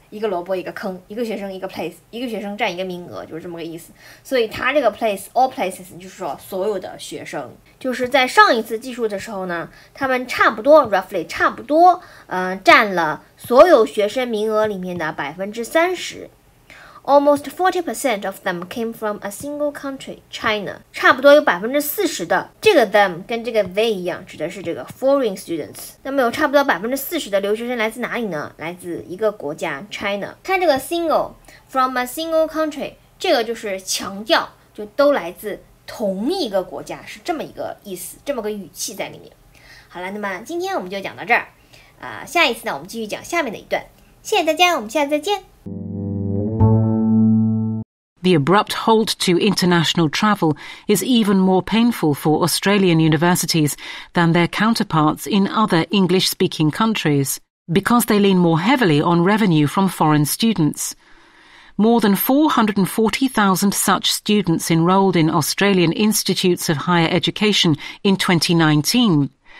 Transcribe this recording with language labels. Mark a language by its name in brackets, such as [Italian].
[Chinese] 一个萝卜一个坑，一个学生一个 place， 一个学生占一个名额，就是这么个意思。所以他这个 place all places 就是说所有的学生，就是在上一次计数的时候呢，他们差不多 roughly 差不多占了所有学生名额里面的 30%。 [English] almost 40% of them came from a single country， China。 [Chinese] 差不多有 40% 的，这个 them 跟这个 they 一样，指的是这个 foreign students。那么有差不多 40% 的留学生来自哪里呢？来自一个国家 China。看这个 single， [English] from a single country， [Chinese] 这个就是强调就都来自同一个国家，是这么一个意思，这么个语气在里面。好了，那么今天我们就讲到这儿，下一次呢我们继续讲下面的一段。谢谢大家，我们下次再见。 [English] The abrupt halt to international travel is even more painful for Australian universities than their counterparts in other English-speaking countries, because they lean more heavily on revenue from foreign students. More than 440,000 such students enrolled in Australian institutes of higher education in 2019.